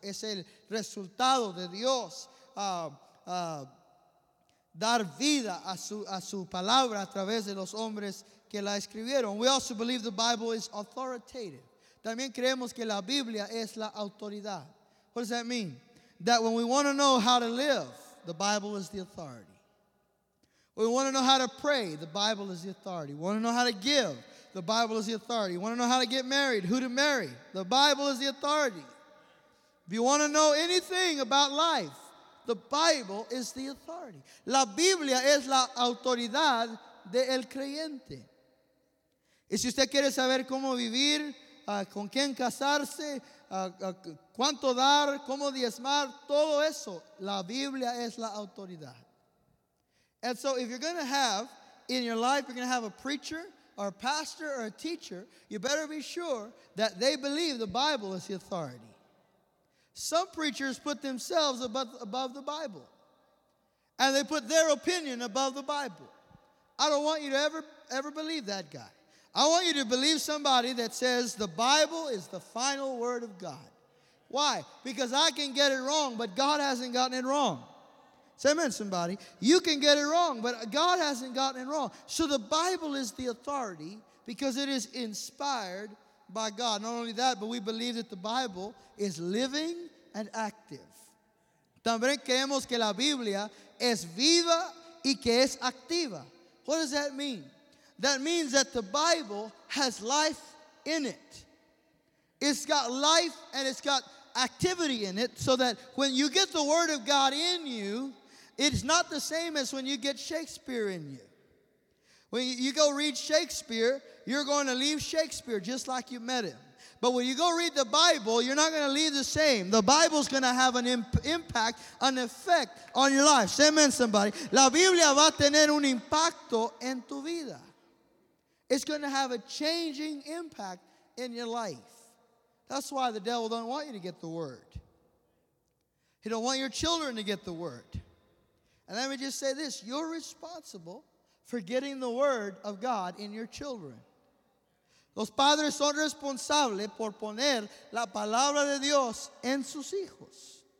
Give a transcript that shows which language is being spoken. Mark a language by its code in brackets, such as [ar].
[es] Es el resultado de Dios dar vida a su palabra a través de los hombres que la escribieron. [en] We also believe the Bible is authoritative. [es] También creemos que la Biblia es la autoridad. [en] What does that mean? That when we want to know how to live, the Bible is the authority. We want to know how to pray. The Bible is the authority. We want to know how to give. The Bible is the authority. We want to know how to get married. Who to marry. The Bible is the authority. If you want to know anything about life, the Bible is the authority. [es] La Biblia es la autoridad del creyente. Y si usted quiere saber cómo vivir, con quién casarse, cuánto dar, cómo diezmar, todo eso, la Biblia es la autoridad. [en] And so if you're going to have, in your life, you're going to have a preacher or a pastor or a teacher, you better be sure that they believe the Bible is the authority. Some preachers put themselves above the Bible. And they put their opinion above the Bible. I don't want you to ever believe that guy. I want you to believe somebody that says the Bible is the final word of God. Why? Because I can get it wrong, but God hasn't gotten it wrong. Say amen, somebody. You can get it wrong, but God hasn't gotten it wrong. So the Bible is the authority because it is inspired by God. Not only that, but we believe that the Bible is living and active. [es] También creemos que la Biblia es viva y que es activa. [en] What does that mean? That means that the Bible has life in it. It's got life and it's got activity in it so that when you get the Word of God in you, it's not the same as when you get Shakespeare in you. When you go read Shakespeare, you're going to leave Shakespeare just like you met him. But when you go read the Bible, you're not going to leave the same. The Bible's going to have an impact, an effect on your life. Say amen, somebody. [es] La Biblia va a tener un impacto en tu vida. [en] It's going to have a changing impact in your life. That's why the devil don't want you to get the Word. He don't want your children to get the Word. And let me just say this, you're responsible for getting the Word of God in your children. [es] Los padres son responsables por poner la palabra de Dios en sus hijos.